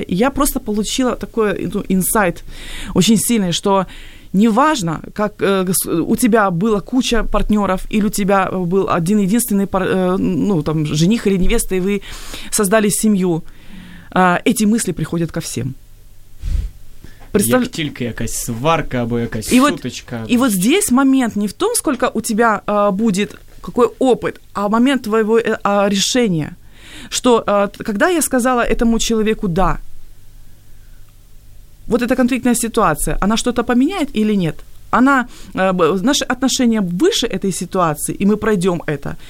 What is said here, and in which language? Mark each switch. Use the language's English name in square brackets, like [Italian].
[Russian] И я просто получила такой инсайт очень сильный, что неважно, как у тебя была куча партнеров, или у тебя был один-единственный жених или невеста, и вы создали семью, эти мысли приходят ко всем. [Ukrainian] Як тільки якась сварка або якась шуточка. [Russian] І вот здесь момент не в том, сколько у тебя буде, какой опыт, а момент твоего решения. Что когда я сказала этому человеку «да», вот эта конфликтная ситуация, она что-то поменяет или нет? Она, наши отношения выше этой ситуации, и мы пройдем это.